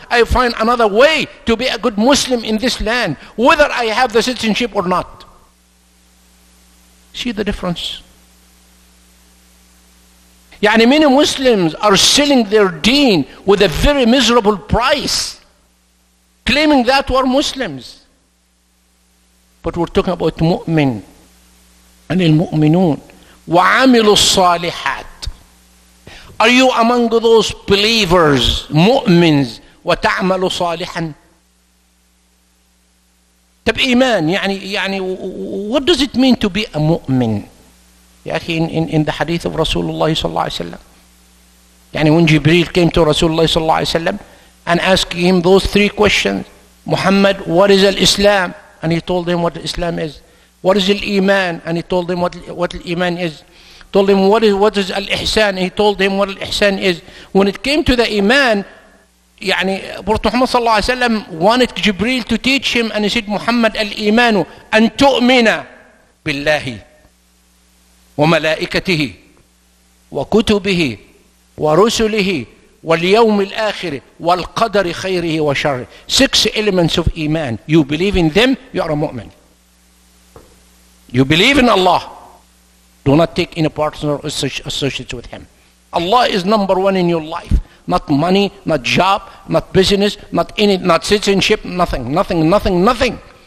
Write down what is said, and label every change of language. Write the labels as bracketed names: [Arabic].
[English] I find another way to be a good Muslim in this land, whether I have the citizenship or not. See the difference? Yani, many Muslims are selling their deen with a very miserable price, claiming that we're Muslims. But we're talking about mu'min. [Arabic] عن المؤمنون وعملوا الصالحات. [English] Are you among those believers, [Arabic] مؤمنز وتعمل صالحا؟ طب إيمان يعني [English] what does it mean to be a [Arabic] مؤمن؟ يا أخي [English] in the [Arabic] حديث of رسول الله صلى الله عليه وسلم, [English] يعني when جبريل came to رسول الله [Arabic] صلى الله عليه وسلم [English] and asking him those three questions, محمد what is الإسلام, and he told him what Islam is, what is الإيمان, and he told him what الإيمان is, told him what is الإحسان, he told him what الإحسان is. When it came to the [Arabic] إيمان, يعني برضو محمد صلى الله عليه وسلم wanted جبريل [English] to teach him, and he said [Arabic] محمد الإيمان أن تؤمن بالله وملائكته وكتبه ورسله واليوم الآخر والقدر خيره وشره. [English] Six elements of إيمان. You believe in them, you are a مؤمن. You believe in Allah, do not take any partner or associates with him. Allah is number one in your life. Not money, not job, not business, not any, not citizenship, nothing, nothing, nothing, nothing.